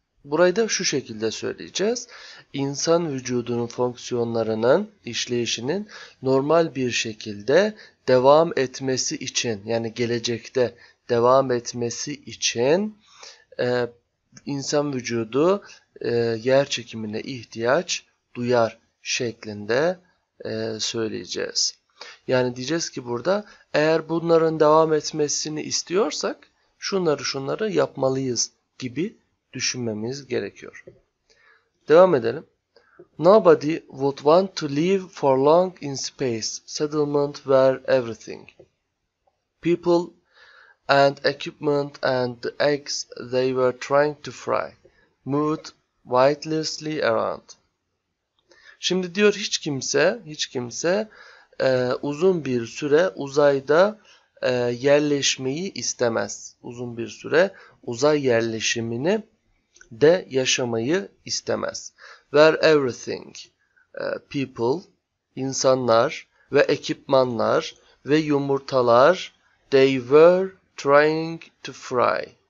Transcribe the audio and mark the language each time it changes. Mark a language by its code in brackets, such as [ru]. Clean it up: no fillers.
[tr] Burayı da şu şekilde söyleyeceğiz. İnsan vücudunun fonksiyonlarının, işleyişinin normal bir şekilde devam etmesi için, yani gelecekte devam etmesi için insan vücudu yer çekimine ihtiyaç duyar şeklinde söyleyeceğiz. Yani diyeceğiz ki burada, eğer bunların devam etmesini istiyorsak şunları yapmalıyız gibi düşünmemiz gerekiyor. Devam edelim. [en] Nobody would want to live for long in space. Settlement where everything, people and equipment and the eggs they were trying to fry moved weightlessly around. [tr] Şimdi diyor, hiç kimse uzun bir süre uzayda yerleşmeyi istemez. Uzun bir süre uzay yerleşimini de yaşamayı istemez. [en] Where everything, people, [tr] insanlar ve ekipmanlar ve yumurtalar, [en] they were trying to fry.